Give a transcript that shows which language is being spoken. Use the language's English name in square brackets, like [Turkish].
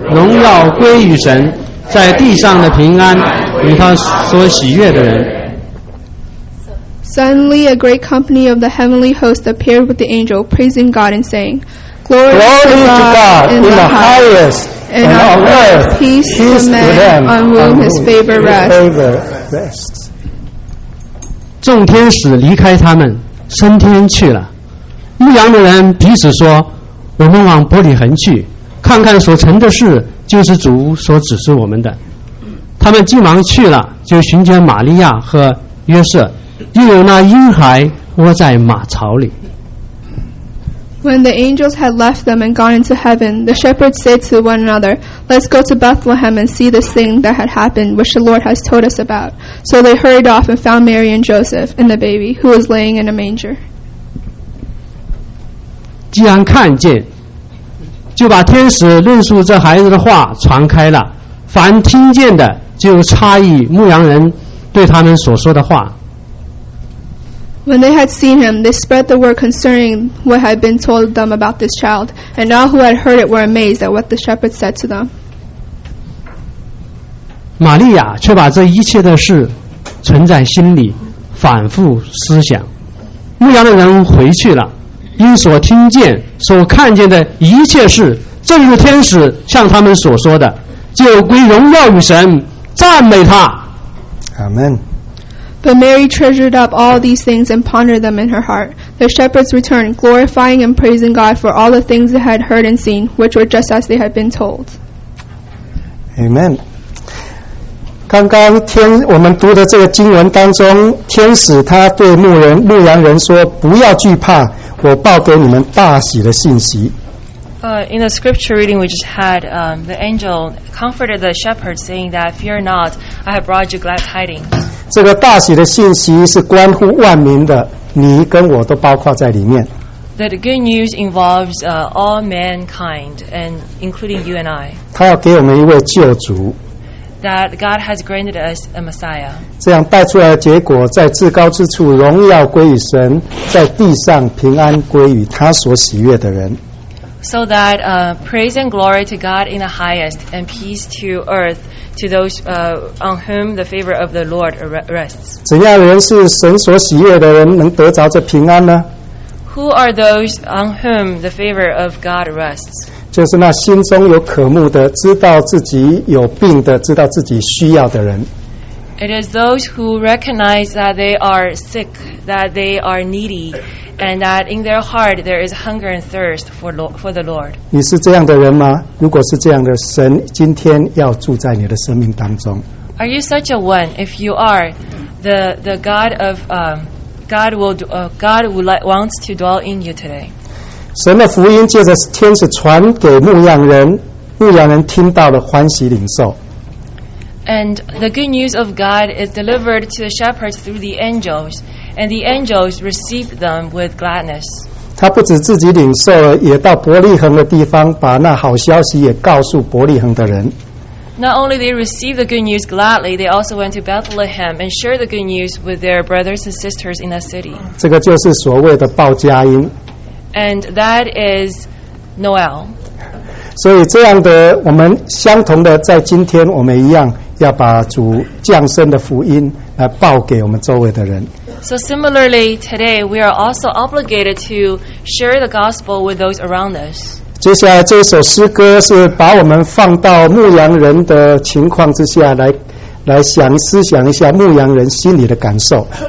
[Chinese] 荣耀归于神；在地上的平安，与他所喜悦的人。” [English] Suddenly, a great company of the heavenly host appeared with the angel, praising God and saying, "Glory to God in the highest, and on earth peace to men on whom His favor rests." [Chinese] 众天使离开他们升天去了，牧羊的人彼此说，我们往伯利恒去看看所成的事，就是主所指示我们的。他们急忙去了，就寻见玛利亚和约瑟，又有那婴孩窝在马槽里。 [English] When the angels had left them and gone into heaven, the shepherds said to one another, "Let's go to Bethlehem and see this thing that had happened, which the Lord has told us about." So they hurried off and found Mary and Joseph and the baby, who was laying in a manger. [Chinese] 既然看见，就把天使论述这孩子的话传开了。凡听见的，就诧异牧羊人对他们所说的话。 [English] When they had seen him, they spread the word concerning what had been told them about this child, and all who had heard it were amazed at what the shepherds said to them. [Chinese] 玛利亚却把这一切的事存在心里，反复思想。牧羊的人回去了，因所听见、所看见的一切事，正如天使向他们所说的，就归荣耀与神，赞美他。 [English] Amen. But Mary treasured up all these things and pondered them in her heart. The shepherds returned, glorifying and praising God for all the things they had heard and seen, which were just as they had been told. Amen. [Chinese] 刚刚天我们读的这个经文当中，天使他对牧羊人说，不要惧怕，我报给你们大喜的信息。 [English] In the scripture reading we just had, the angel comforted the shepherds, saying that, "Fear not, I have brought you glad tidings." [Chinese] 这个大喜的信息是关乎万民的，你跟我都包括在里面。 [English] That good news involves all mankind, and including you and I. [Chinese] 他要给我们一位救主。 [English] That God has granted us a Messiah. [Chinese] 这样带出来的结果，在至高之处荣耀归于神，在地上平安归于他所喜悦的人。 [English] So that praise and glory to God in the highest, and peace to earth. To those on whom the favor of the Lord rests. [Chinese] 怎样的人是神所喜悦的人，能得着这平安呢？ [English] Who are those on whom the favor of God rests? [Chinese] 就是那心中有渴慕的，知道自己有病的，知道自己需要的人。 [English] It is those who recognize that they are sick, that they are needy, and that in their heart there is hunger and thirst for the Lord. [Chinese] 你是这样的人吗？如果是这样的，神今天要住在你的生命当中。 [English] Are you such a one? If you are, the God of God wants to dwell in you today. [Chinese] 神的福音借着天使传给牧羊人，牧羊人听到了欢喜领受。 [English] And the good news of God is delivered to the shepherds through the angels. And the angels received them with gladness. [Chinese] 他不止自己领受了，也到伯利恒的地方，把那好消息也告诉伯利恒的人。 [English] Not only they received the good news gladly, they also went to Bethlehem and shared the good news with their brothers and sisters in the city. [Chinese] 这个就是所谓的报佳音。 [English] And that is Noel. [Chinese] 所以这样的，我们相同的，在今天我们一样要把主降生的福音来报给我们周围的人。 [English] So similarly, today we are also obligated to share the gospel with those around us. [Chinese] 接下来这首诗歌是把我们放到牧羊人的情况之下来想思想一下牧羊人心里的感受。